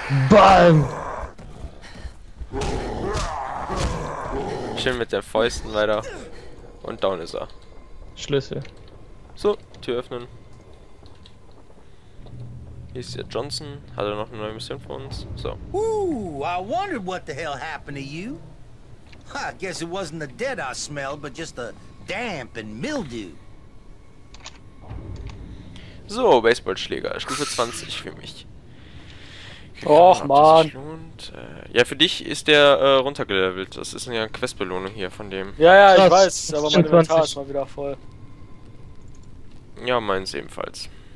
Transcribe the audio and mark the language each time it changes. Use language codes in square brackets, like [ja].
[de] BAM! Schön mit den Fäusten weiter. Und down ist er. Schlüssel. So, Tür öffnen. Hier ist der Johnson. Hat er noch eine neue Mission für uns? So. [en] I wondered what the hell happened to you. I guess it wasn't the dead I smelled, but just the damp and mildew. [de] So, Baseballschläger, Stufe 20 für mich. Och, Mann. Ja, für dich ist der runtergelevelt. Das ist eine Questbelohnung hier von dem. Ja, ja, ich weiß, aber mein Inventar ist mal wieder voll. Ja, meins ebenfalls.